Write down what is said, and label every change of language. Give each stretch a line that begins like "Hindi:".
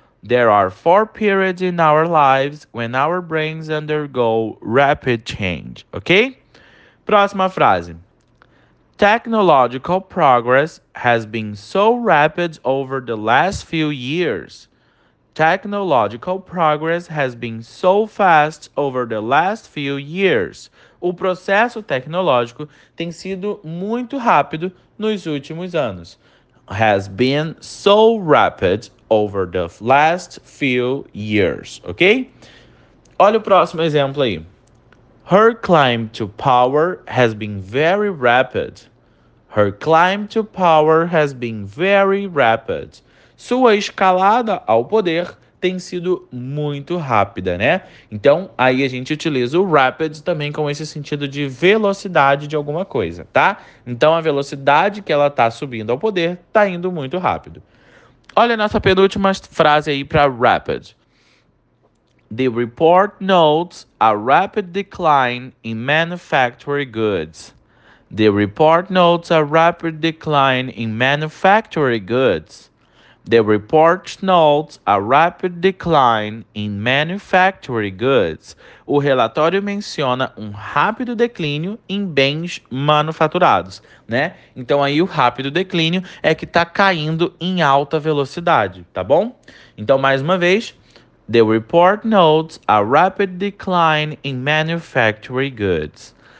English: There are four periods in our lives when our brains undergo rapid change, ok?
Portuguese: Próxima frase.
English: Technological progress has been so rapid over the last few years. Technological progress has been so fast over the last few years.
Portuguese: O processo tecnológico tem sido muito rápido nos últimos anos.
English: Has been so rapid over the last few years, ok?
Portuguese: Olha o próximo exemplo aí.
English: Her climb to power has been very rapid. Her climb to power has been very rapid.
Portuguese: Sua escalada ao poder tem sido muito rápida, né? Então, aí a gente utiliza o rapid também com esse sentido de velocidade de alguma coisa, tá? Então, a velocidade que ela está subindo ao poder está indo muito rápido. Olha a nossa penúltima frase aí para rapid.
English: The report notes a rapid decline in manufactured goods. The report notes a rapid decline in manufactured goods. The report notes a rapid decline in manufactured goods.
Portuguese: O relatório menciona rápido declínio em bens manufaturados, né? Então aí o rápido declínio é que tá caindo em alta velocidade, tá bom? Então mais uma vez,
English: the report notes a rapid decline in manufactured goods.